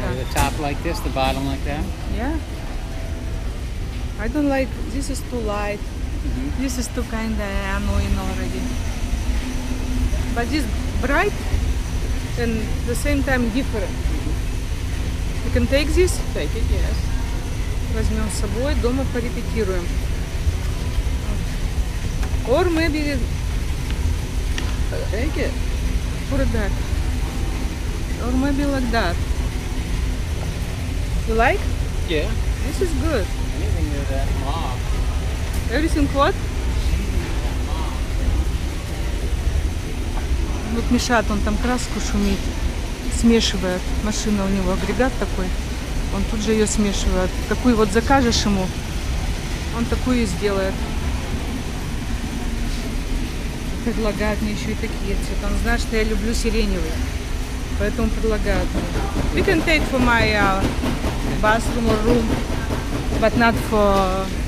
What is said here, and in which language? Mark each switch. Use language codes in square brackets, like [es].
[en] Yeah, the top like this, the bottom like that. Yeah. I don't like, this is too light. Mm-hmm. This is too kind of annoying already. But this bright and at the same time different. You can take this? Take it, yes. [ru] Возьмем с собой, дома порепетируем. [en] Or maybe... Take it. Put it back. Or maybe like that. You like? Yeah. This is good. Anything with that mop. Everything what? [ru] Вот мешает он там краску шумить. смешивает. Машина у него, агрегат такой. Он тут же ее смешивает. Такую вот закажешь ему, он такую и сделает. Предлагают мне еще и такие цвета. Он знает, что я люблю сиреневые. Поэтому предлагают. [en] You can take for my bathroom or room, but not for...